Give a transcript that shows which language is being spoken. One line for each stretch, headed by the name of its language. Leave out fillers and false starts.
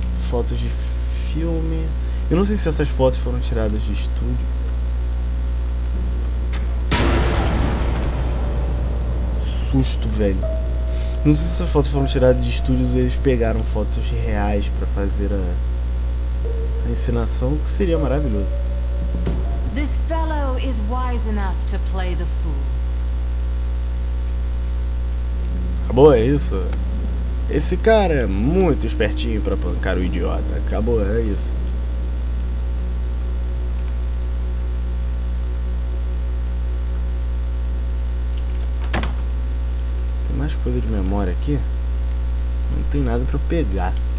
Portuguese: Fotos de filme. Eu não sei se essas fotos foram tiradas de estúdio. Susto, velho. Não sei se essas fotos foram tiradas de estúdios e eles pegaram fotos reais pra fazer a encenação, que seria maravilhoso.
English: This fellow is wise enough to play the fool.
Portuguese: Acabou, é isso. Esse cara é muito espertinho pra pancar o idiota. Acabou, é isso. Tem mais coisa de memória aqui? Não tem nada pra eu pegar.